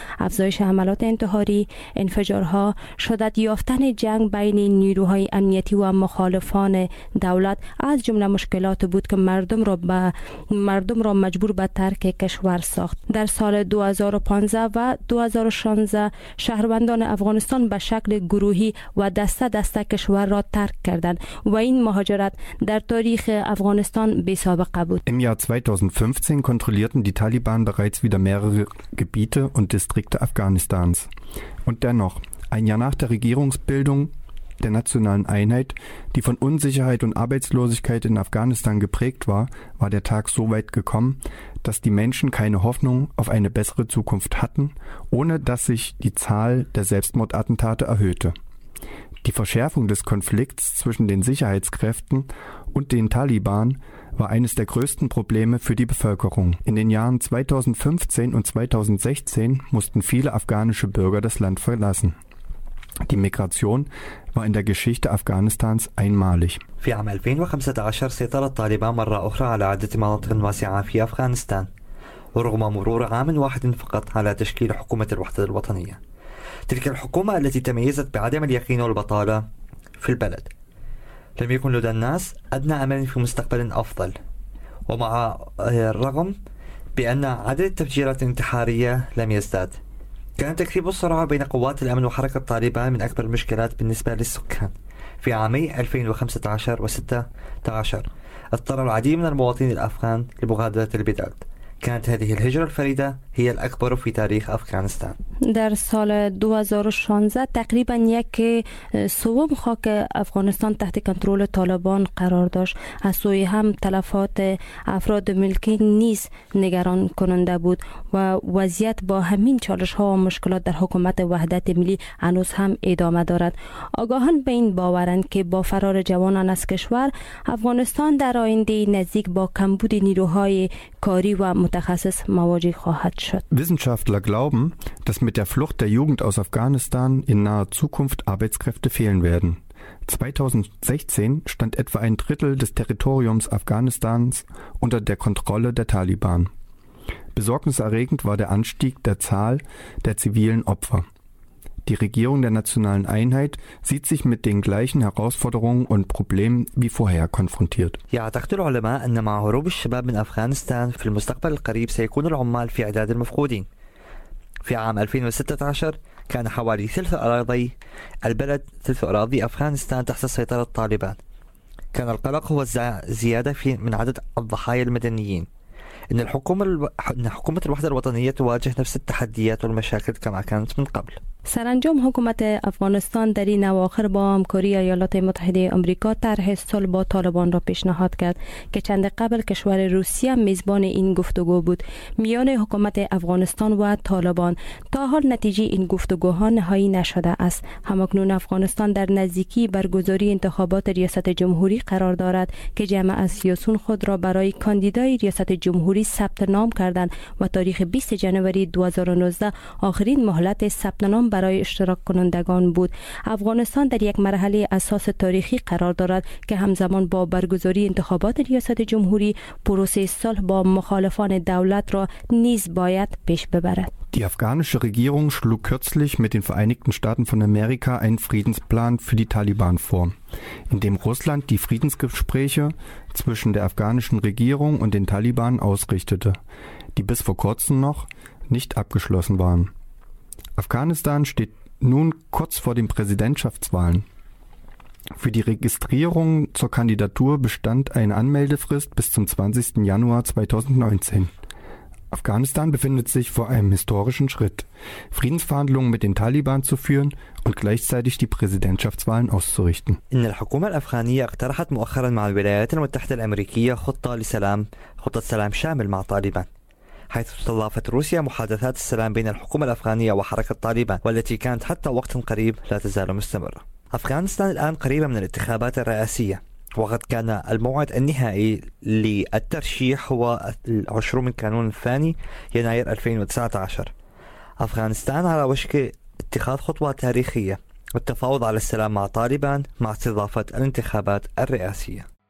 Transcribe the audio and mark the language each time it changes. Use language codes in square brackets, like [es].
[fa] افزایش حملات انتحاری انفجارها شدت یافتن جنگ بین نیروهای امنیتی و مخالفان دولت از جمله مشکلات بود که مردم را مجبور به ترک کشور ساخت. در سال 2015 و 2016 شهروندان افغانستان به شکل گروهی و دسته دسته کشور را ترک کردند و این مهاجرت در تاریخ افغانستان بی سابقه بود. [de] Im Jahr 2015 kontrollierten die Taliban bereits wieder mehrere Gebiete und Distrikte Afghanistans. Und dennoch, ein Jahr nach der Regierungsbildung der nationalen Einheit, die von Unsicherheit und Arbeitslosigkeit in Afghanistan geprägt war, war der Tag so weit gekommen, dass die Menschen keine Hoffnung auf eine bessere Zukunft hatten, ohne dass sich die Zahl der Selbstmordattentate erhöhte. Die Verschärfung des Konflikts zwischen den Sicherheitskräften und den Taliban war eines der größten Probleme für die Bevölkerung. In den Jahren 2015 und 2016 mussten viele afghanische Bürger das Land verlassen. Die Migration war in der Geschichte Afghanistans einmalig. [ar] في عام 2015 سيطر الطالبان مرة أخرى على عدة مناطق واسعة في أفغانستان ورغم مرور عام واحد فقط على تشكيل حكومة الوحدة الوطنية تلك الحكومة التي تميزت بعدم اليقين والبطالة في البلد لم يكن لدى الناس أدنى أمل في مستقبل أفضل ومع الرغم بأن عدد التفجيرات الانتحارية لم يزداد كان تكثيف الصراع بين قوات الأمن وحركة طالبان من أكبر المشكلات بالنسبة للسكان في عامي 2015 و16 اضطر العديد من المواطنين الأفغان لمغادرة البلاد كانت هذه الهجرة الفريدة هي الأكبر في تاريخ أفغانستان. [fa] در سال 2016 تقریبا یک سوم خاک افغانستان تحت کنترل طالبان قرار داشت. از سوی هم تلفات افراد ملکی نیز نگران کننده بود و وضعیت با همین چالش ها و مشکلات در حکومت وحدت ملی هنوز هم ادامه دارد. آگاهان به این باورند که با فرار جوانان از کشور افغانستان در آینده نزدیک با کمبود نیروهای کاری و متخصص مواجه خواهد شد. [de] Wissenschaftler glauben, dass mit der Flucht der Jugend aus Afghanistan in naher Zukunft Arbeitskräfte fehlen werden. 2016 stand etwa ein Drittel des Territoriums Afghanistans unter der Kontrolle der Taliban. Besorgniserregend war der Anstieg der Zahl der zivilen Opfer. Die Regierung der nationalen Einheit sieht sich mit den gleichen Herausforderungen und Problemen wie vorher konfrontiert. Ja, [ar] تقول العلماء أن مع هروب الشباب من أفغانستان في المستقبل القريب سيكون العمال في إعداد المفقودين. في عام 2016 كان حوالي ثلث أراضي البلد ثلث أراضي أفغانستان تحت سيطرة الطالبان كان القلق هو الزيادة في من عدد الضحايا المدنيين إن حكومة الوحدة الوطنية تواجه نفس التحديات والمشاكل كما كانت من قبل [fa] سرانجام حکومت افغانستان در این اواخر با همکاری ایالات متحده آمریکا طرح صلح با طالبان را پیشنهاد کرد که چند قبل کشور روسیه میزبان این گفتگو بود میان حکومت افغانستان و طالبان تا حال نتیجه این گفتگوها نهایی نشده است هماکنون افغانستان در نزدیکی برگزاری انتخابات ریاست جمهوری قرار دارد که جامعه سیاسون خود را برای کاندیدای ریاست جمهوری ثبت نام کردند و تاریخ 20 جنوری 2019 آخرین مهلت ثبت نام برای اشتراک کنندگان بود افغانستان در یک مرحله اساس تاریخی قرار دارد که همزمان با برگزاری انتخابات ریاست جمهوری پروسه صلح با مخالفان دولت را نیز باید پیش ببرد [de] Die afghanische Regierung schlug kürzlich mit den Vereinigten Staaten von Amerika einen Friedensplan für die Taliban vor, in dem Russland die Friedensgespräche zwischen der afghanischen Regierung und den Taliban ausrichtete, die bis vor kurzem noch nicht abgeschlossen waren. Afghanistan steht nun kurz vor den Präsidentschaftswahlen. Für die Registrierung zur Kandidatur bestand eine Anmeldefrist bis zum 20. Januar 2019. Afghanistan befindet sich vor einem historischen Schritt, Friedensverhandlungen mit den Taliban zu führen und gleichzeitig die Präsidentschaftswahlen auszurichten. In der Regierung der Afghanistan [ar] اقترحت مؤخرا مع الولايات المتحدة الأمريكية خطة لسلام خطة سلام شامل مع طالبان. حيث استضافت روسيا محادثات السلام بين الحكومة الأفغانية وحركة طالبان والتي كانت حتى وقت قريب لا تزال مستمرة أفغانستان الآن قريبة من الانتخابات الرئاسية وقد كان الموعد النهائي للترشيح هو 20 من كانون الثاني يناير 2019 أفغانستان على وشك اتخاذ خطوة تاريخية والتفاوض على السلام مع طالبان مع استضافة الانتخابات الرئاسية